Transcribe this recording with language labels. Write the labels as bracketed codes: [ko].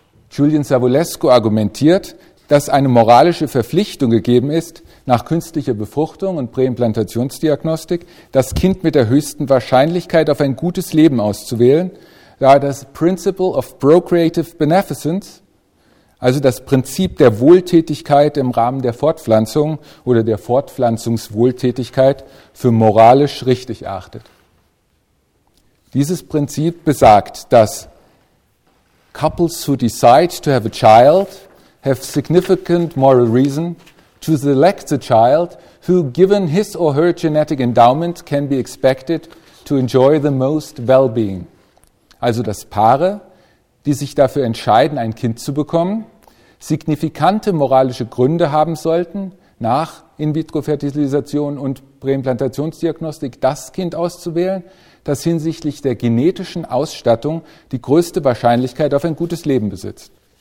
[de] Julian Savulescu argumentiert, dass eine moralische Verpflichtung gegeben ist, nach künstlicher Befruchtung und Präimplantationsdiagnostik das Kind mit der höchsten Wahrscheinlichkeit auf ein gutes Leben auszuwählen, da das Principle of Procreative Beneficence, also das Prinzip der Wohltätigkeit im Rahmen der Fortpflanzung oder der Fortpflanzungswohltätigkeit, für moralisch richtig erachtet. Dieses Prinzip besagt, dass [en] couples who decide to have a child have significant moral reason to select the child who, given his or her genetic endowment, can be expected to enjoy the most well-being. [de] Also dass Paare, die sich dafür entscheiden, ein Kind zu bekommen, signifikante moralische Gründe haben sollten, nach In-vitro-Fertilisation und Präimplantationsdiagnostik das Kind auszuwählen, das hinsichtlich der genetischen Ausstattung die größte Wahrscheinlichkeit auf ein gutes Leben besitzt.